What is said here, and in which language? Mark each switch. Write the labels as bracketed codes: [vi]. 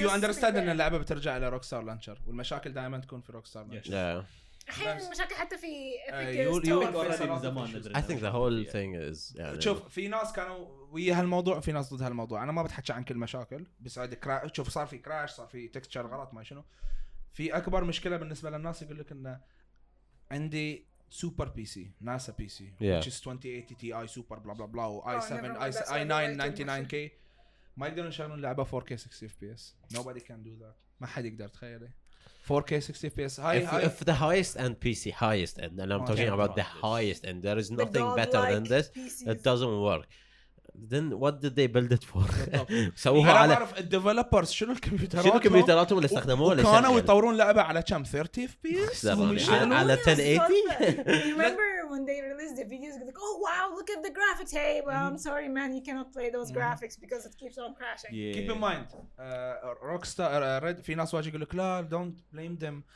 [en] you understand that the game will return to Rockstar Launcher, and the problems will always be in Rockstar Launcher. Yeah. [ar] حين مشاكل حتى في [en] Epic Games. I think the whole thing is. [ar] شوف في ناس كانوا ويا هالموضوع وفي ناس ضد هالموضوع. أنا ما بتحكي عن كل المشاكل. بس عاد شوف صار في كراش صار في تكستشر غلط ما شنو. في أكبر مشكلة بالنسبة للناس يقول لك إنه عندي سوبر بي سي ناسا بي سي. [en] Yeah. Which is 2080 Ti super blah blah blah. I 7 I 9 99K. [ar] ما يقدرون يشغلون لعبة 4K 60fps. [en] Nobody can do that. [ar] ما حد يقدر تخيله. [en] 4K 60fps. If the highest end PC, highest end, and I'm talking about the highest end, there is nothing better than this. It doesn't work. Then what did they build it for? [ar] سووها على. أنا أعرف الديفلوبرز شنو الكمبيوترات. شنو الكمبيوترات اللي استخدموها؟ كانوا يطورون لعبة على كم 30fps. على 1080. [en] Remember when they released the videos? Like, oh wow, look at the graphics. Hey, well, I'm sorry, man, you cannot play those graphics because it keeps on crashing. Keep in mind, Rockstar, Red. [ar] في ناس واجي يقول لك لا, [en] don't blame them.